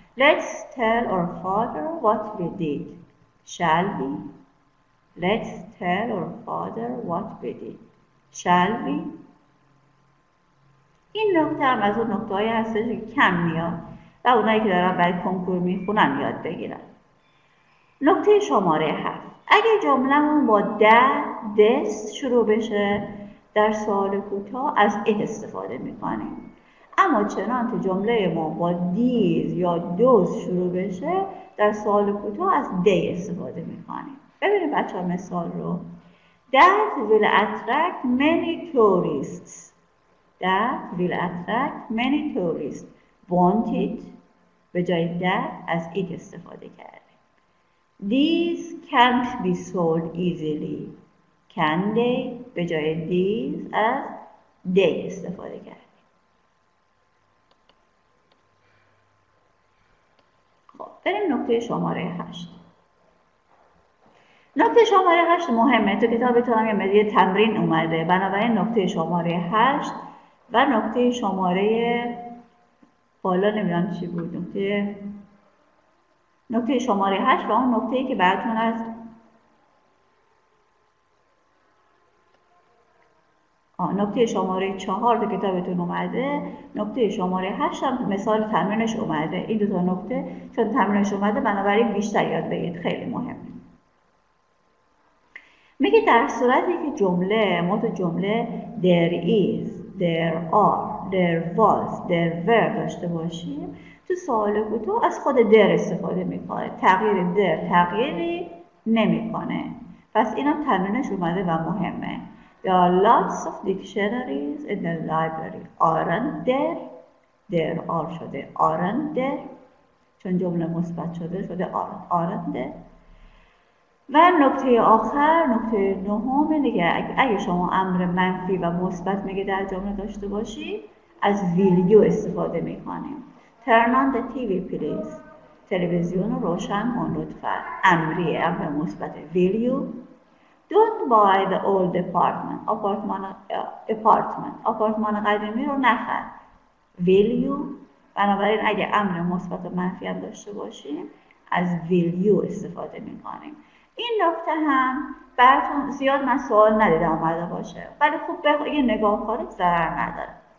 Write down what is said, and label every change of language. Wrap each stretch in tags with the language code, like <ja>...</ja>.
<en>Let's tell our father what we did. Shall we? Let's tell our father what we did. Shall we?</en> <fa>این نکته هم از اون نکته هایی هستش که کم میاد و اونایی که دارن برای کنکور میخونن یاد بگیرن. نکته شماره 7. اگه جملهمون با this شروع بشه در سوال کوتاه از it استفاده میکنیم، اما چنان که جمله ما با دیز یا دوز شروع بشه در سوال کوتاه از دی استفاده میکنیم. ببینید بچه ها مثال رو.</fa> <en>That will attract many tourists. That will attract many tourists. Won't it?</en> <fa>به جای that از it استفاده کردیم.</fa> <en>These can't be sold easily. Can they?</en> <fa>به جای these از they استفاده کردیم. بریم نکته شماره 8. نکته شماره 8 مهمه. تو کتابتون هم یه مدیه تمرین اومده، بنابراین نکته شماره 8 و نکته شماره بالا نمیدونم چی بود، نکته شماره 8 و اون نکته ای که براتون از نکته شماره 4 تو کتابتون اومده، نکته شماره 8 هم مثال تمرینش اومده. این دو تا نکته چون تمرینش اومده بنابراین بیشتر یاد بگیرید، خیلی مهمه. میگه در صورتی که جمله ما تو جمله there is, there are, there was, there were داشته باشیم، تو سوال کوتاه از خود there استفاده میکنه. تغییر there تغییری نمیکنه. پس اینا تمرینش اومده و مهمه.</fa> <en>There are lots of dictionaries in the library. Aren't there? There are شده. Aren't there?</en> <fa>چون جمله مثبت شده aren't there. و نکته آخر، نکته نهم دیگه، اگه شما امر منفی و مثبت میگه در جمله داشته باشی از will you استفاده میکنیم.</fa> <en>Turn on the TV please.</en> <fa>تلویزیون رو روشن کن لطفا. امریه، امر مثبت. Will you?</fa> <en>Don't buy the old apartment.</en> <fa>Apartment قدیمی رو نخر.</fa> <en>Will you?</en> <fa>بنابراین اگه امر مثبت و منفی هم داشته باشیم از will you استفاده می کنیم. این نکته هم براتون زیاد من سوال ندیده آمده باشه، ولی خوب به یه نگاه کنید ضرر نداره.</fa>